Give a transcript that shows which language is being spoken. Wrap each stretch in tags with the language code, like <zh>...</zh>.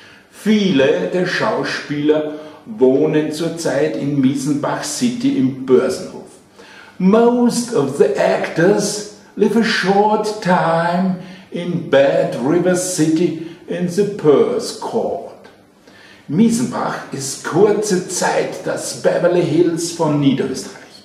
<de>Viele der Schauspieler wohnen zurzeit in Miesenbach City im Börsenhof.</de> <en>Most of the actors live a short time in Bad River City in the Perth Court.</en> <de>Miesenbach ist kurze Zeit das Beverly Hills von Niederösterreich.</de>